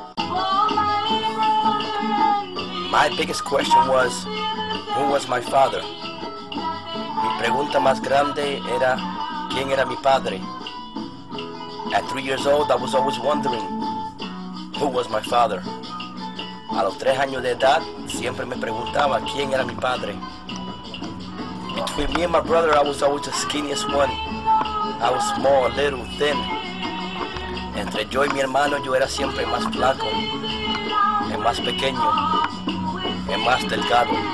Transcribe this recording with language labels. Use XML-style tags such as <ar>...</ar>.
<en>My biggest question was, who was my father?</en> <es>Mi pregunta más grande era, ¿quién era mi padre?</es> <en>At 3 years old, I was always wondering, who was my father?</en> <es>A los 3 años de edad, siempre me preguntaba, ¿quién era mi padre?</es> <en>Between me and my brother, I was always the skinniest one. I was small, little, thin.</en> <es>Entre yo y mi hermano, yo era siempre más flaco, el más pequeño, el más delgado.</es>